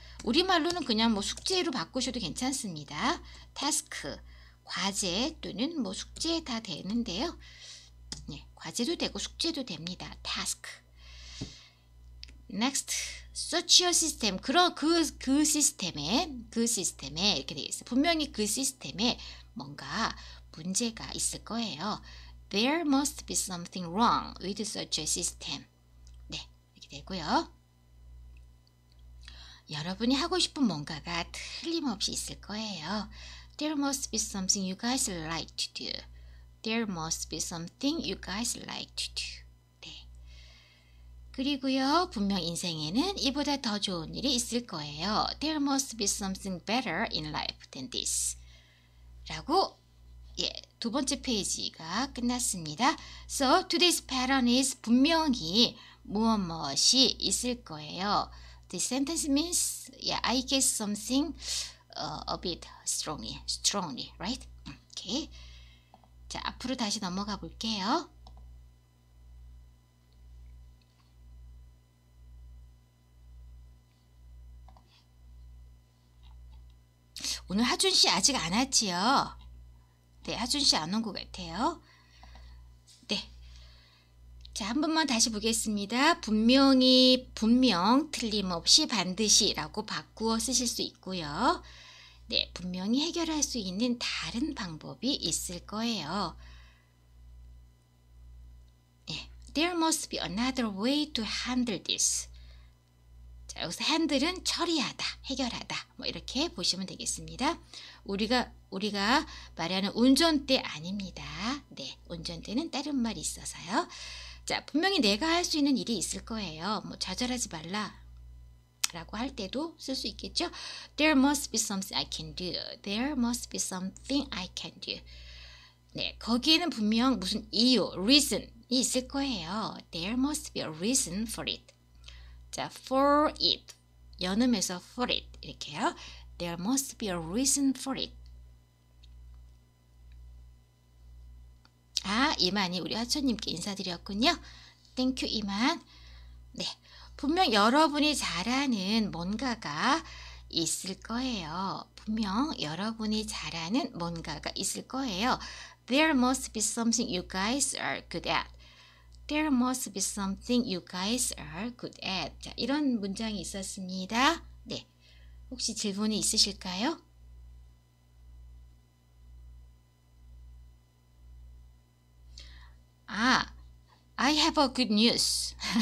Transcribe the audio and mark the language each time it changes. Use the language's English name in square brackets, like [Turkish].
[Korean] 우리말로는 그냥 뭐 숙제로 바꾸셔도 괜찮습니다. task, 과제 또는 뭐 숙제 다 되는데요. 네, 과제도 되고 숙제도 됩니다. [English] task. Next, search your system. [Korean] 그 시스템에 이렇게 되어 있어요. 분명히 그 시스템에 뭔가 문제가 있을 거예요. [English] There must be something wrong with such a system. [Korean] 네, 이렇게 되고요. 여러분이 하고 싶은 뭔가가 틀림없이 있을 거예요. [English] There must be something you guys like to do. There must be something you guys like to do. [Korean] 그리고요, 분명 인생에는 이보다 더 좋은 일이 있을 거예요. [English] There must be something better in life than this. [Korean] 라고, 예, 두 번째 페이지가 끝났습니다. [English] So, today's pattern is [Korean] 분명히 무엇 무엇이 있을 거예요. [English] This sentence means, yeah, I guess something a bit strongly, right? Okay. [Korean] 자, 앞으로 다시 넘어가 볼게요. 오늘 하준 씨 아직 안 왔지요? 네, 하준 씨 안 온 것 같아요. 네. 자, 한 번만 다시 보겠습니다. 분명 틀림없이 반드시라고 바꾸어 쓰실 수 있고요. 네, 분명히 해결할 수 있는 다른 방법이 있을 거예요. [English] 네, there must be another way to handle this. [Korean] 여기서 handle은 처리하다, 해결하다 뭐 이렇게 보시면 되겠습니다. 우리가 말하는 운전대 아닙니다. 네, 운전대는 다른 말이 있어서요. 자, 분명히 내가 할 수 있는 일이 있을 거예요. 뭐 좌절하지 말라 라고 할 때도 쓸 수 있겠죠. [English] There must be something I can do. There must be something I can do. [Korean] 네, 거기에는 분명 무슨 이유, reason이 있을 거예요. [English] There must be a reason for it. 자, for it. [Korean] 연음에서 [English] for it. [Korean] 이렇게요. [English] There must be a reason for it. [Korean] 아, 이만이 우리 하초님께 인사드렸군요. [English] Thank you, 이만. 네. [Korean] 분명 여러분이 잘하는 뭔가가 있을 거예요. 분명 여러분이 잘하는 뭔가가 있을 거예요. [English] There must be something you guys are good at. There must be something you guys are good at. [Korean] 자, 이런 문장이 있었습니다. 네, 혹시 질문이 있으실까요? [English] 아, I have a good news.